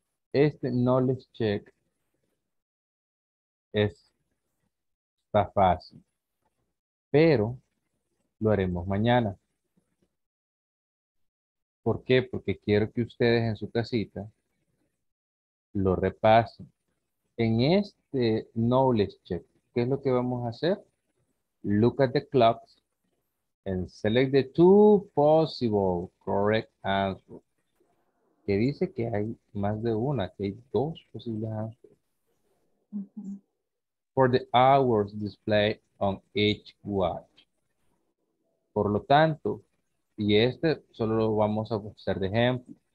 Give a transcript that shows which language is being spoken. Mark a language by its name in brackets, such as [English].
[Spanish] Este knowledge check está fácil, pero lo haremos mañana. ¿Por qué? Porque quiero que ustedes en su casita lo repasen. En este knowledge check, ¿qué es lo que vamos a hacer? [English] Look at the clocks and select the two possible correct answers. [Spanish] Que dice que hay más de una, que hay dos posibles answers. [English] For the hours displayed on each watch. [Spanish] Por lo tanto, y este solo lo vamos a hacer de ejemplo.